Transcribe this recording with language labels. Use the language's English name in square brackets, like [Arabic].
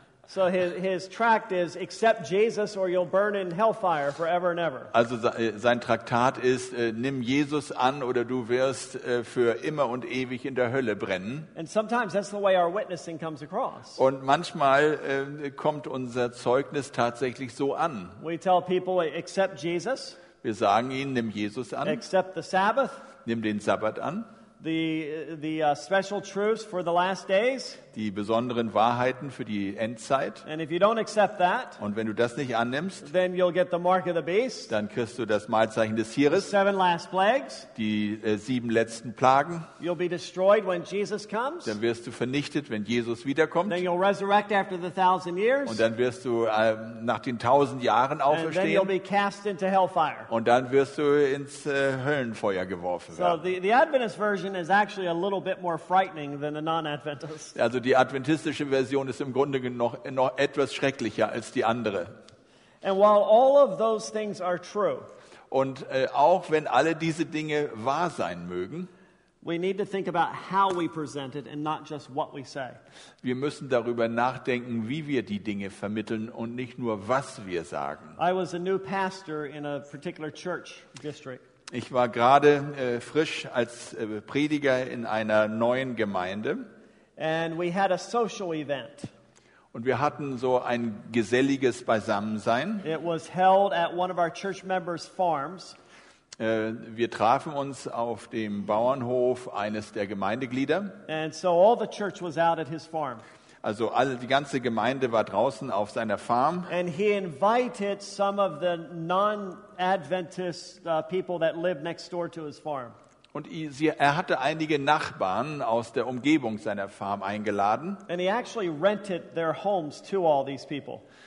[English] So his tract is accept Jesus or you'll burn in hellfire forever and ever. [German] Also sein Traktat ist nimm Jesus an oder du wirst für immer und ewig in der Hölle brennen. [English] And sometimes that's the way our witnessing comes across. [German] Und manchmal kommt unser Zeugnis tatsächlich so an. [English] We tell people accept Jesus. [German] Wir sagen ihnen nimm Jesus an. [English] Accept the Sabbath. [German] Nimm den Sabbat an. [English] Special truths for the last days. [German] Die besonderen Wahrheiten für die Endzeit. [English] And if you don't accept that, [German] und wenn du das nicht annimmst, [English] then you'll get the mark of the beast. [German] Dann kriegst du das Malzeichen des Tieres. [English] The seven last plagues. [German] Die sieben letzten Plagen. [English] You'll be destroyed when Jesus comes. [German] Dann wirst du vernichtet, wenn Jesus wiederkommt. [English] Then you'll resurrect after the 1,000 years. [German] Und dann wirst du nach den 1,000 Jahren auferstehen. [English] And then you'll be cast into hellfire. [German] Und dann wirst du ins Höllenfeuer geworfen werden. [English] So the Adventist version is actually a little bit more frightening than a non-Adventist. [German] Also die adventistische Version ist im Grunde noch etwas schrecklicher als die andere. [English] And while all of those things are true, [German] und auch wenn alle diese Dinge wahr sein mögen, [English] we need to think about how we present it and not just what we say. [German] Wir müssen darüber nachdenken, wie wir die Dinge vermitteln und nicht nur was wir sagen. [English] I was a new pastor in a particular church district. [German] Ich war gerade frisch als Prediger in einer neuen Gemeinde. [English] And we had a social event. [German] Und wir hatten so ein geselliges Beisammensein. [English] It was held at one of our church members' farms. [German] Wir trafen uns auf dem Bauernhof eines der Gemeindeglieder. [English] And so all the church was out at his farm. [German] Also alle, die ganze Gemeinde war draußen auf seiner Farm. [English] And he invited some of the non-Adventist people that lived next door to his farm. [German] Und er hatte einige Nachbarn aus der Umgebung seiner Farm eingeladen. [English] And he actually rented their homes to all these people.